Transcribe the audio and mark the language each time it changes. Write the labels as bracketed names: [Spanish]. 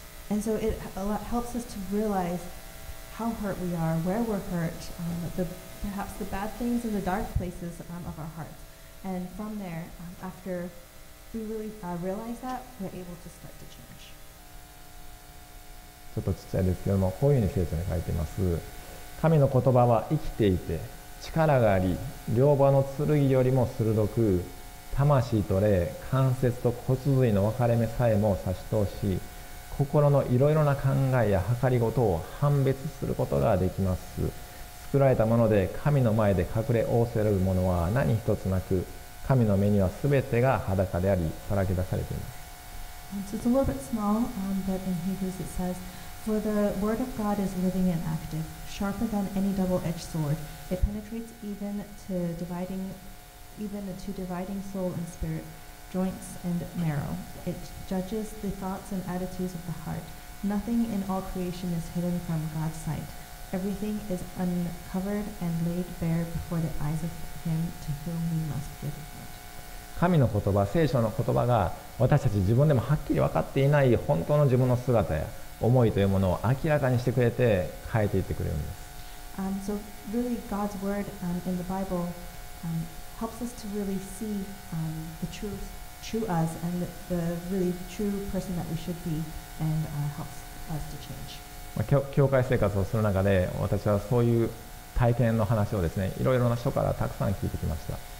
[English] And so it helps us to realize how hurt we are, where we're hurt, perhaps the bad things in the dark places of our hearts. And from there, after we really realize that, we're able to start to change. [Japanese] ちょっとちっちゃいですけども、こういうふうに聖書に書いています。神の言葉は生きていて、力があり、両刃の剣よりも鋭く、魂と霊、関節と骨髄の分かれ目さえも差し通し、心のいろいろな考えや計りごとを判別することができます。作られたもので神の前で隠れおおせるものは何一つなく、神の目にはすべてが裸であり、さらけ出されています。 [English] So it's a little bit small, but in Hebrews it says, For the word of God is living and active, sharper than any double-edged sword. It penetrates even to dividing soul and spirit, joints and marrow. It judges the thoughts and attitudes of the heart. Nothing in all creation is hidden from God's sight. Everything is uncovered and laid bare before the eyes of Him to whom we must give account. [Japanese] 神の言葉、聖書の言葉が私たち自分でもはっきり分かっていない本当の自分の姿や思いというものを明らかにしてくれて変えていってくれるんです。 [English] So really God's word in the Bible helps us to really see the true us and the really true person that we should be and helps us to change. [Japanese] 教会生活をする中で私はそういう体験の話をですね、いろいろな人からたくさん聞いてきました。